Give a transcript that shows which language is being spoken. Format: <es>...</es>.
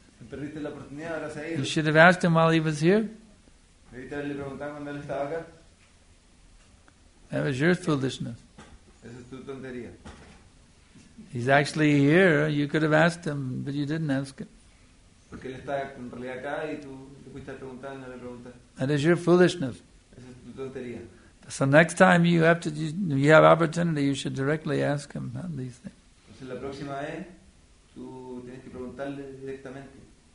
<es>Perdiste la oportunidad, ahora se ha ido.</es> <en>You should have asked him while he was here.</en> <es>¿Debiste haberle preguntado cuando él estaba acá?</es> <en>That was your foolishness.</en> <es>Esa es tu tontería.</es> <en>He's actually here. You could have asked him, but you didn't ask him.</en> <es>Porque él está en realidad acá y tú te fuiste a preguntar y no le preguntaste.</es> <en>That is your foolishness.</en> <es>Esa es tu tontería.</es> <en>So next time you have opportunity, you should directly ask him on these things.</en> <es>Entonces la próxima vez, tú tienes que preguntarle directamente.</es>